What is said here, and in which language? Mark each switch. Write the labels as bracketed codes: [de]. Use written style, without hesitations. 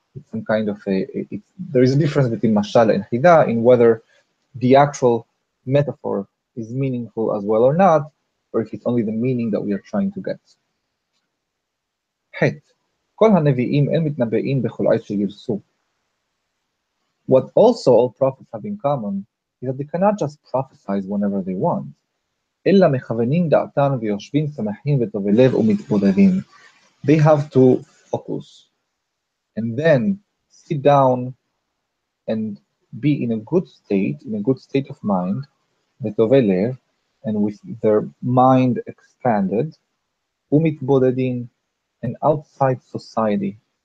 [en] It's some kind of there is a difference between mashal and hida in whether the actual metaphor is meaningful as well or not, or if it's only the meaning that we are trying to get. [he] Het, kol ha-nevi'im el mitnabe'im b'chol ayt she'yirsu. [en] What also all prophets have in common is that they cannot just prophesize whenever they want. [he] אלא מכוונים דעתם ויושבים שמחים וטובי לב ומתבודדים. [en] They have to focus and then sit down and be in a good state, in a good state of mind, [he] וטובי לב, [en] and with their mind expanded, [he] ומתבודדים, [en] and outside society.